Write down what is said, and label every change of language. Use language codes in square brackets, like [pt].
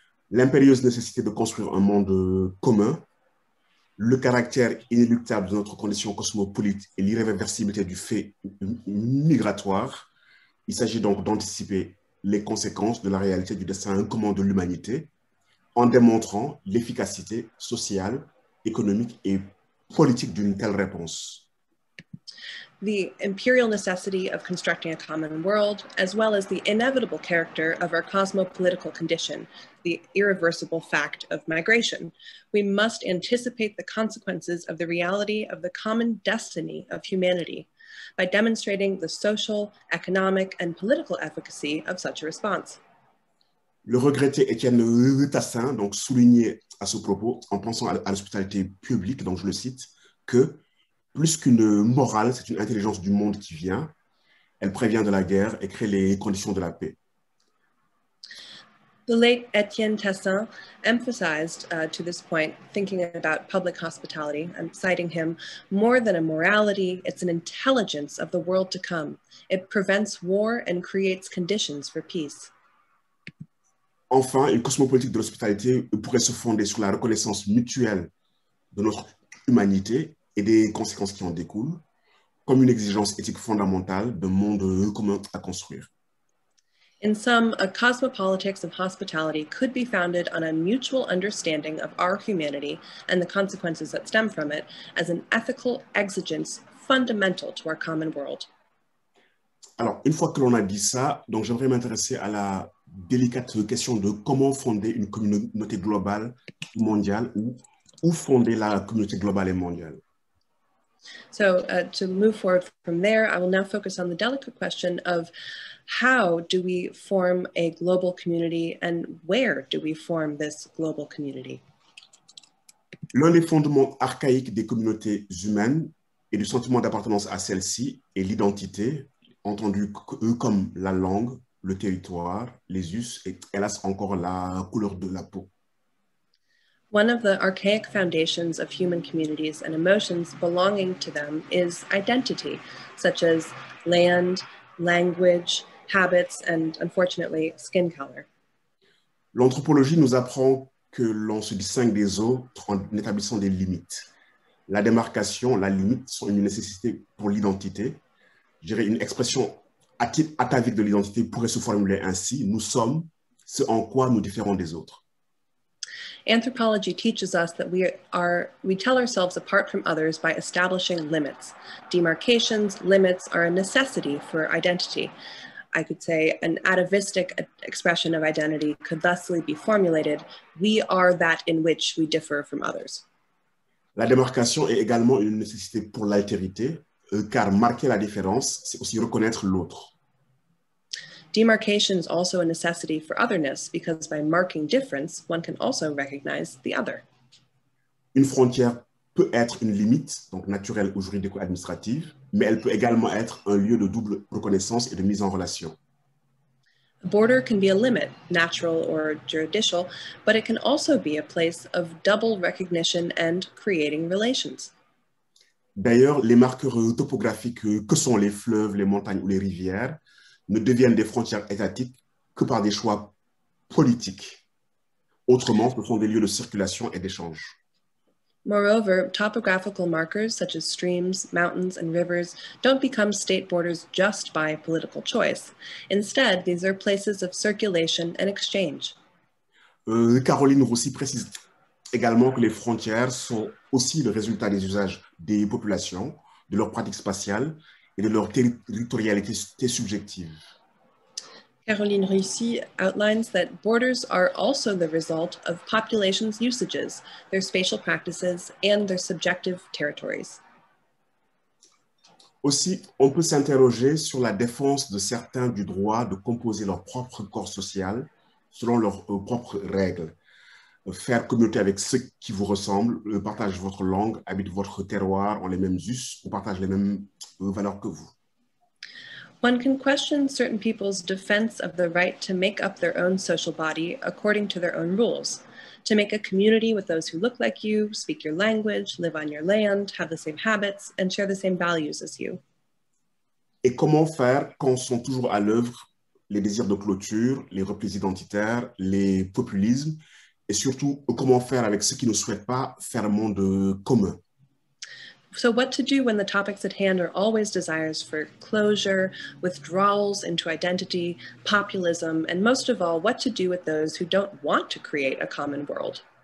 [fr] L'impérieuse nécessité de construire un monde commun, le caractère inéluctable de notre condition cosmopolite et l'irréversibilité du fait migratoire. Il s'agit donc d'anticiper les conséquences de la réalité du destin commun de l'humanité en démontrant l'efficacité sociale, économique et politique d'une telle réponse. [en] The imperial necessity of constructing a common world, as well as the inevitable character of our cosmopolitical condition, the irreversible fact of migration. We must anticipate the consequences of the reality of the common destiny of humanity by demonstrating the social, economic, and political efficacy of such a response. [fr] Le regretté Étienne Tassin donc souligné à ce propos, en pensant à l'hospitalité publique, donc je le cite, que plus qu'une morale, c'est une intelligence du monde qui vient. Elle prévient de la guerre et crée les conditions de la paix. [en] The late Étienne Tassin emphasized to this point, thinking about public hospitality, I'm citing him, more than a morality, it's an intelligence of the world to come. It prevents war and creates conditions for peace. [fr] Enfin, une cosmopolitique de l'hospitalité pourrait se fonder sur la reconnaissance mutuelle de notre humanité et des conséquences qui en découlent, comme une exigence éthique fondamentale d'un monde commun à construire. [en] In sum, a cosmopolitics of hospitality could be founded on a mutual understanding of our humanity and the consequences that stem from it as an ethical exigence fundamental to our common world. [fr] Alors, une fois que l'on a dit ça, donc j'aimerais m'intéresser à la délicate question de comment fonder une communauté globale ou mondiale ou où fonder la communauté globale et mondiale. [en] So to move forward from there, I will now focus on the delicate question of how do we form a global community and where do we form this global community? [fr] L'un des fondements archaïques des communautés humaines et du sentiment d'appartenance à celle-ci est l'identité, entendue comme la langue, le territoire, les us et hélas encore la couleur de la peau. [en] One of the archaic foundations of human communities and emotions belonging to them is identity, such as land, language, habits, and unfortunately, skin color. [fr] L'anthropologie nous apprend que l'on se distingue des autres en établissant des limites. La démarcation, la limite sont une nécessité pour l'identité. Je dirais une expression atavique de l'identité pourrait se formuler ainsi. Nous sommes ce en quoi nous différons des autres. [en] Anthropology teaches us that we tell ourselves apart from others by establishing limits. Demarcations, limits are a necessity for identity. I could say an atavistic expression of identity could thusly be formulated, we are that in which we differ from others. [fr] La démarcation est également une nécessité pour l'altérité, car marquer la différence, c'est aussi reconnaître l'autre. [en] Demarcation is also a necessity for otherness because by marking difference, one can also recognize the other. [fr] Une frontière peut être une limite, donc naturelle ou juridique ou administrative, mais elle peut également être un lieu de double reconnaissance et de mise en relation. [en] A border can be a limit, natural or juridical, but it can also be a place of double recognition and creating relations. [fr] D'ailleurs, les marqueurs topographiques que sont les fleuves, les montagnes ou les rivières ne deviennent des frontières étatiques que par des choix politiques. Autrement, ce sont des lieux de circulation et d'échange. [en] Moreover, topographical markers such as streams, mountains, and rivers don't become state borders just by political choice. Instead, these are places of circulation and exchange. [fr] Caroline Rossi précise également que les frontières sont aussi le résultat des usages des populations, de leurs pratiques spatiales et de leur territorialité subjective. [en] Caroline Rossi outlines that borders are also the result of populations' usages, their spatial practices, and their subjective territories. [fr] Aussi, on peut s'interroger sur la défense de certains du droit de composer leur propre corps social selon leurs propres règles. Faire communauté avec ceux qui vous ressemblent, partagent votre langue, habitent votre terroir, ont les mêmes us, ou partagent les mêmes valeurs que vous. [en] One can question certain people's defense of the right to make up their own social body according to their own rules, to make a community with those who look like you, speak your language, live on your land, have the same habits, and share the same values as you. [fr] Et comment faire quand sont toujours à l'œuvre les désirs de clôture, les replis identitaires, les populismes, et surtout, comment faire avec ceux qui ne souhaitent pas faire monde commun? [en] So what to do when the topics at hand are always desires for closure, withdrawals into identity, populism, and most of all, what to do with those who don't want to create a common world?